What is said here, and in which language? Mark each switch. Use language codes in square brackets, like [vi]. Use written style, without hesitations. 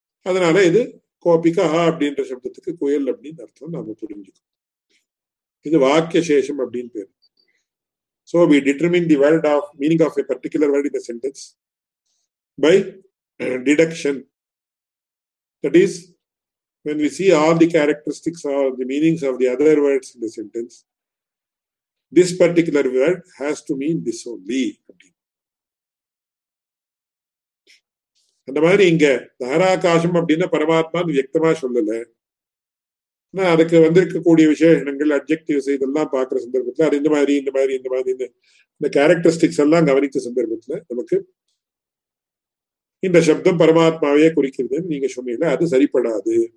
[ta] அதனால இது கோபிகா அப்படின்ற சப்தத்துக்கு குயல் அப்படின்னு அர்த்தம் நாம புரிஞ்சுக்கோம். இது வாக்கிய சேஷம் அப்படின்னு பேர். [en] So we determine the word of meaning of a particular word in the sentence by deduction. That is, when we see all the characteristics or the meanings of the other words in the sentence, this particular word has to mean this only. [ta] அந்த மாதிரி இங்க தாராகாசம் அப்படின்னா பரமாத்மான்னு வியக்தமா சொல்லல. ஆனா அதுக்கு வந்திருக்கக்கூடிய விசேஷங்கள் objectives இதெல்லாம் பாக்குற சந்தர்ப்பத்துல, அது இந்த மாதிரி இந்த மாதிரி இந்த மாதிரி இந்த கேரக்டரிஸ்டிக்ஸ் எல்லாம் கவனித்த சந்தர்ப்பத்துல நமக்கு இந்த சப்தம் பரமாத்மாவையே குறிக்கிறதுன்னு நீங்க சொன்னீங்க, அது சரிபடாது.